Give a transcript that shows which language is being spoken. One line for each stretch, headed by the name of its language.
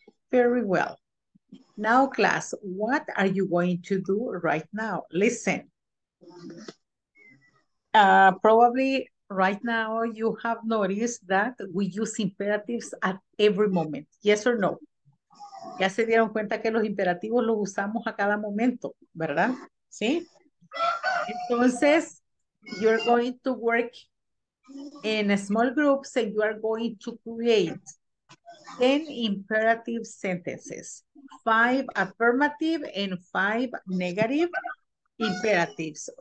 English: Very well. Now, class, what are you going to do right now? Listen. Probably right now you have noticed that we use imperatives at every moment. Yes or no?
Spanish: Ya se dieron cuenta que los imperativos los usamos a cada momento, ¿verdad? ¿Sí? Entonces,
English: you're going to work in small groups and you are going to create 10 imperative sentences, 5 affirmative and 5 negative imperatives.